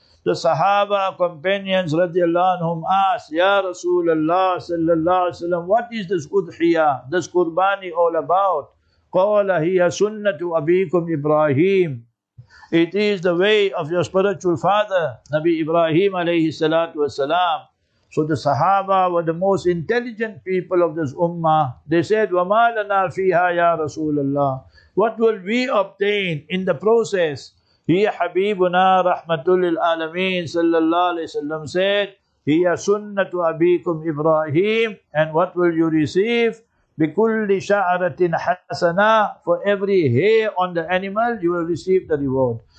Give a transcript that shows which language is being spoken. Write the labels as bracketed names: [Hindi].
[English] The Sahaba companions radiallahu anhum asked, ya Rasulullah sallallahu alaihi wasallam, what is this udhiya, this qurbani all about? [Arabic] قَالَ هِيَ سُنَّةُ أَبِيكُمْ إِبْرَاهِيمُ. [English] It is the way of your spiritual father, Nabi Ibrahim alayhi salatu wasalam. So the Sahaba were the most intelligent people of this ummah. They said, [Arabic] وَمَا لَنَا فِيهَا يَا رَسُولَ اللَّهِ. [English] What will we obtain in the process? [Arabic] هِيَ حَبِيبُنَا رَحْمَةُ لِلْعَالَمِينَ صلى الله عليه وسلم [English] said, [Arabic] هِيَ سُنَّةُ أَبِيكُمْ إِبْرَاهِيمُ. [English] And what will you receive? [Arabic] بِكُلِّ شَعْرَةٍ حَسَنَا. [English] For every hair on the animal, you will receive the reward.